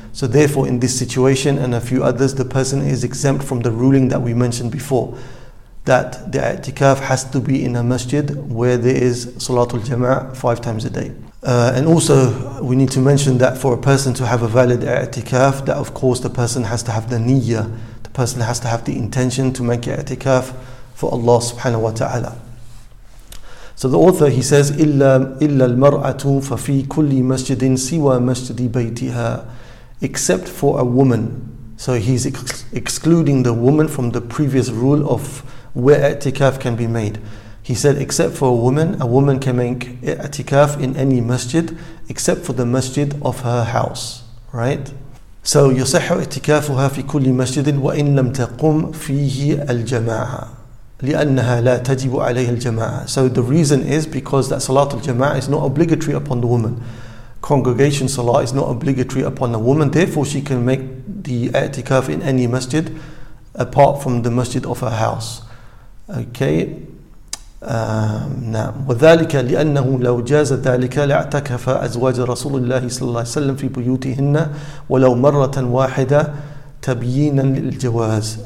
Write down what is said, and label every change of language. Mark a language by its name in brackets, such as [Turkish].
[English] So therefore, in this situation and a few others, the person is exempt from the ruling that we mentioned before, that the i'tikaf has to be in a masjid where there is salatul jama'ah 5 times a day. And also, we need to mention that for a person to have a valid i'tikaf, that of course the person has to have the niyyah, the person has to have the intention to make i'tikaf for Allah subhanahu wa ta'ala. So the author, he says, [Arabic] إِلَّا الْمَرْأَةُ فَفِي كُلِّ مَسْجِدٍ سِوَى مَسْجِدِ بَيْتِهَا. [English] Except for a woman. So he's excluding the woman from the previous rule of where i'tikaf can be made. He said, except for a woman can make i'tikaf in any masjid, except for the masjid of her house. Right? [Arabic] So يُصَحُ i'tikafuha فِي كُلِّ مَسْجِدٍ وَإِنْ لَمْ تَقُمْ فِيهِ الْجَمَاعَةَ. لِأَنَّهَا لَا تَجِبُ عَلَيْهَا الْجَمَاعَةَ. [English] So the reason is because that Salatul Jama'ah is not obligatory upon the woman. Congregation Salah is not obligatory upon a woman. Therefore, she can make the i'tikaf in any masjid apart from the masjid of her house. [Arabic] Okay? وَذَلِكَ لِأَنَّهُ لَوْ جَازَ ذَلِكَ لَأَعْتَكَفَ أَزْوَاجَ رَسُولُ اللَّهِ صَلَّى اللَّهِ سَلَّمَ فِي بُيُوتِهِنَّ وَلَوْ مَرَّةً وَاحِدَةً تَبْيِينًا لِلْجَوَازِ.